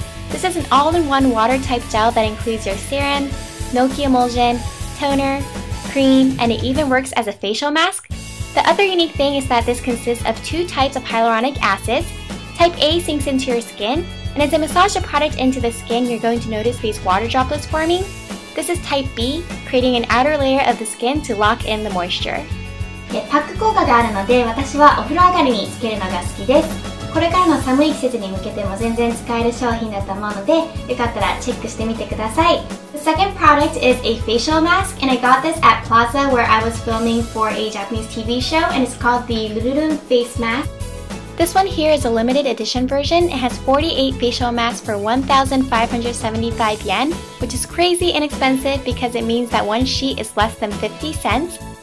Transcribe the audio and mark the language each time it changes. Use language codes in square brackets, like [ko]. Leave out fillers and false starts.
[en] This is an all-in-one water type gel that includes your serum, milky emulsion, toner,cream, and it even works as a facial mask. The other unique thing is that this consists of two types of hyaluronic acids. Type A sinks into your skin, and as I massage the product into the skin, you're going to notice these water droplets forming. This is type B, creating an outer layer of the skin to lock in the moisture. [ja] パック効果があるので、私はお風呂上がりにつけるのが好きです。これからの寒い季節に向けても全然使える商品だと思うので、よかったらチェックしてみてください。 [en] The second product is a facial mask, and I got this at Plaza where I was filming for a Japanese TV show, and it's called the Lululu Face Mask. This one here is a limited edition version. It has 48 facial masks for 1,575 yen, which is crazy inexpensive because it means that one sheet is less than 50 cents.